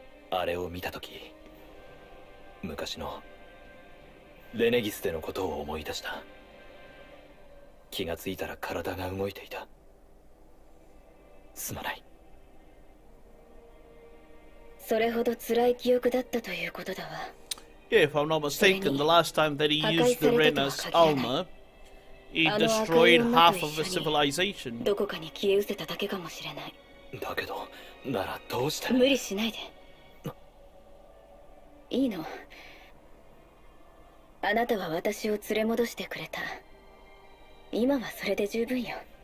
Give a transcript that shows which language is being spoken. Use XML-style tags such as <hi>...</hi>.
<ja>あれを見たとき、昔のレネギスでのことを思い出した。気がついたら体が動いていた。すまない。それほど辛い記憶だったということだわ。</ja> <en>Yeah, if I'm not mistaken, the last time that he used the Rena's Alma, He destroyed half of a civilization.</en> <ja>どこかに消え失せただけかもしれない。だけど、ならどうして？無理しないで。いいの。あなたは私を連れ戻してくれた。今はそれで十分よ。</ja>